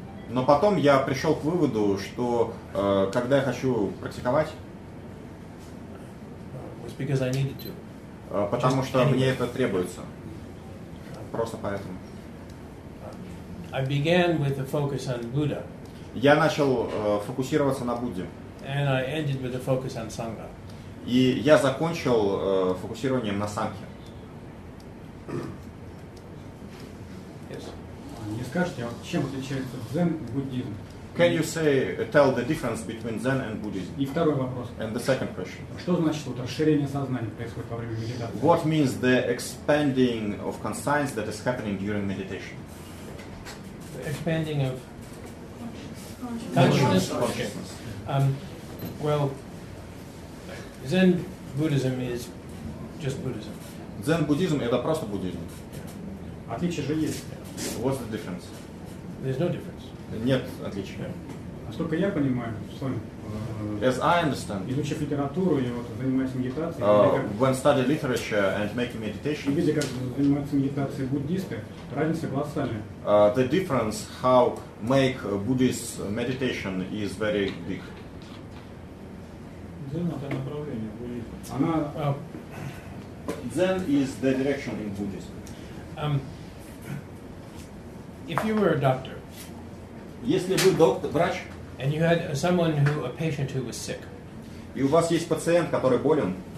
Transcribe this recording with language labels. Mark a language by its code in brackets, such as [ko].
[ru] Но потом я пришел к выводу, что когда я хочу практиковать, [en] was because I needed to. [ru] Потому [en] Just [ru] что [en] anyway. [ru] Мне это требуется. Просто поэтому. [en] I began with a focus on Buddha. [ru] Я начал фокусироваться на Будде. [en] And I ended with a focus on Sangha. [ru] И я закончил фокусированием на Сангхе. [en] Yes. [ru] Не скажете, а чем отличается дзен и буддизм? [en] Can you say, tell the difference between Zen and Buddhism? [ru] И второй вопрос. [en] And the second question. [ru] Что значит вот расширение сознания происходит во время медитации? [en] What means the expanding of conscience that is happening during meditation? Expanding of consciousness. Well, Zen Buddhism is just Buddhism. [ru] Zen Buddhism — это просто буддизм. Отличие же есть. [en] What's the difference? There's no difference. [ru] Нет отличия. Насколько я понимаю, сон. [en] As I understand. [ru] Изучив литературу и вот занимаясь медитацией. [en] When studying literature and making meditation. [ru] И видя, как занимаются медитацией буддисты, разница колоссальная. [en] The difference how make Buddhist meditation is very big. [ru] Дзен это направление буддизма. Она. [en] Дзен is the direction in Buddhism. If you were a doctor. [ru] Если вы доктор, врач. [en] And you had someone who a patient who was sick. [ru] И у вас есть пациент, который болен.